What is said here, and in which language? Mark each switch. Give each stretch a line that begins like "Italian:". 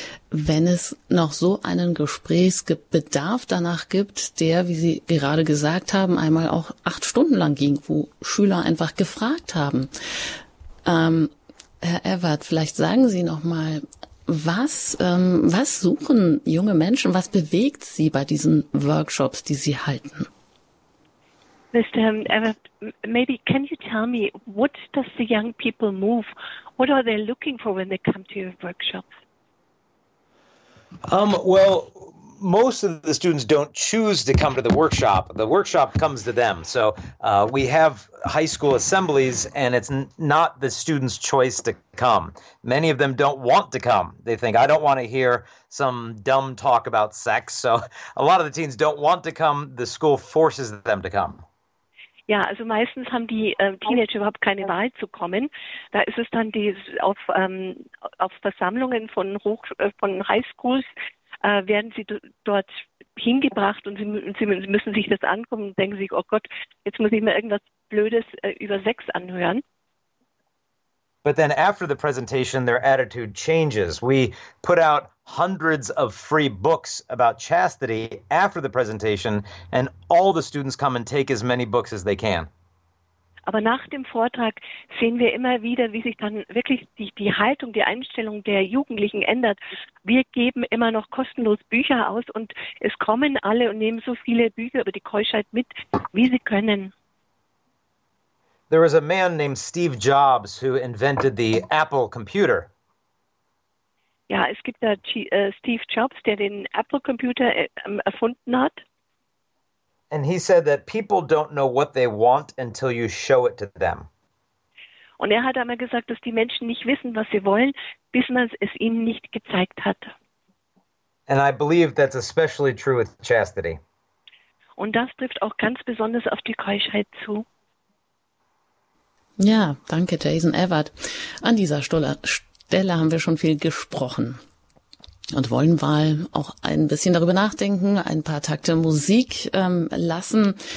German: Wenn es noch so einen Gesprächsbedarf danach gibt, der, wie Sie gerade gesagt haben, einmal auch 8 Stunden lang ging, wo Schüler einfach gefragt haben. Herr Evert, vielleicht sagen Sie noch mal, was suchen junge Menschen, was bewegt Sie bei diesen Workshops, die Sie halten?
English: Mr. Evert, maybe can you tell me, what does the young people move? What are they looking for when they come to your workshops? Well, most of the students don't choose to come to the workshop. The workshop comes to them. So we have high school assemblies, and it's not the students' choice to come. Many of them don't want to come. They think, I don't want to hear some dumb talk about sex. So a lot of the teens don't want to come. The school forces them to come.
German: Ja, also meistens haben die Teenager überhaupt keine Wahl zu kommen. Da ist es dann auf Versammlungen von Highschools, werden sie dort hingebracht und sie müssen sich das angucken und denken sich, oh Gott, jetzt muss ich mir irgendwas Blödes über Sex anhören.
English: But then after the presentation, their attitude changes. We put out hundreds of free books about chastity after the presentation, and all the students come and take as many books as they can.
German: Aber nach dem Vortrag sehen wir immer wieder, wie sich dann wirklich die Haltung, die Einstellung der Jugendlichen ändert. Wir geben immer noch kostenlos Bücher aus und es kommen alle und nehmen so viele Bücher über die Keuschheit mit, wie sie können.
English: There was a man named Steve Jobs who invented the Apple computer.
German: Ja, es gibt da Steve Jobs, der den Apple Computer erfunden hat.
English: And he said that people don't know what they want until you show it to them.
German: Und er hat einmal gesagt, dass die Menschen nicht wissen, was sie wollen, bis man es ihnen nicht gezeigt hat.
English: And I believe that's especially true with chastity.
German: Und das trifft auch ganz besonders auf die Keuschheit zu. Ja, danke Jason Evert. An dieser Stelle haben wir schon viel gesprochen und wollen mal auch ein bisschen darüber nachdenken, ein paar Takte Musik lassen.